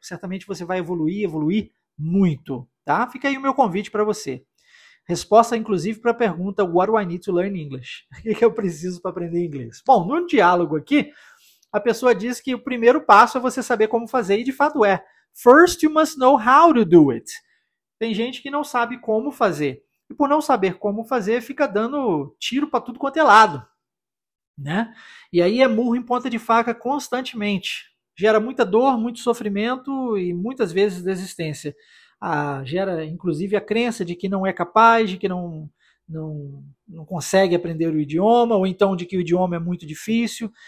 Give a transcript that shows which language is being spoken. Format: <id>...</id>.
<pt>Certamente você vai evoluir muito, tá? Fica aí o meu convite para você. Resposta, inclusive, para a pergunta:</pt> <en>what do I need to learn English?</en> <pt>O que eu preciso para aprender inglês? Bom, num diálogo aqui, a pessoa diz que o primeiro passo é você saber como fazer, e de fato é.</pt> <en>First you must know how to do it.</en> <pt>Tem gente que não sabe como fazer. E por não saber como fazer, fica dando tiro para tudo quanto é lado, né? E aí é murro em ponta de faca constantemente. Gera muita dor, muito sofrimento e muitas vezes desistência. Gera inclusive a crença de que não é capaz, de que não consegue aprender o idioma, ou então de que o idioma é muito difícil.</pt>